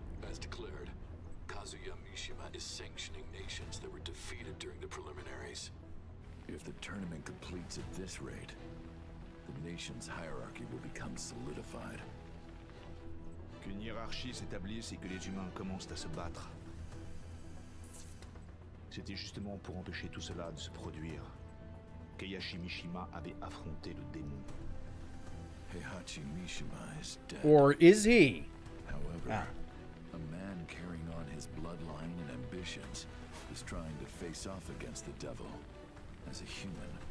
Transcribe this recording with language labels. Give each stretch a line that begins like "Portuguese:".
English: As declared, Kazuya Mishima is sanctioning nations that were defeated during the preliminaries. If the tournament completes at this rate, the nation's hierarchy will become solidified.
French: Qu'une hiérarchie s'établisse et que les humains commencent à se battre. C'était justement pour empêcher tout cela de se produire qu'Heihachi Mishima avait affronté le démon.
English: Heihachi Mishima is dead. Or is he? However, a man carrying on his bloodline and ambitions is trying to face off against the devil as a human.